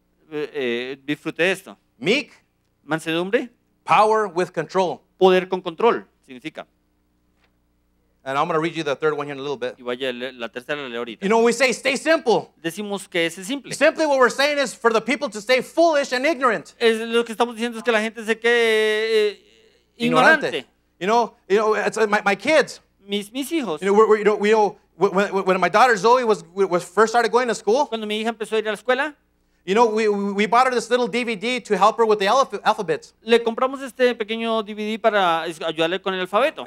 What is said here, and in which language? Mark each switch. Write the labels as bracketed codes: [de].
[es] Disfruté esto. [en] Meek. [es] Mansedumbre. [en] Power with control. [es] Poder con control significa. [en] And I'm going to read you the third one here in a little bit. [es] Y vaya, la tercera la leo ahorita. [en] You know, we say stay simple. [es] Decimos que es simple. [en] Simply what we're saying is for the people to stay foolish and ignorant. [es] Es lo que estamos diciendo es que la gente se quede ignorante. [en] You know, it's my kids. [es] Mis hijos. [en] You know, when my daughter Zoe was first started going to school. [es] Cuando mi hija empezó a ir a la escuela. [en] You know, we bought her this little DVD to help her with the alphabet. [es] Le compramos este pequeño DVD para ayudarle con el alfabeto.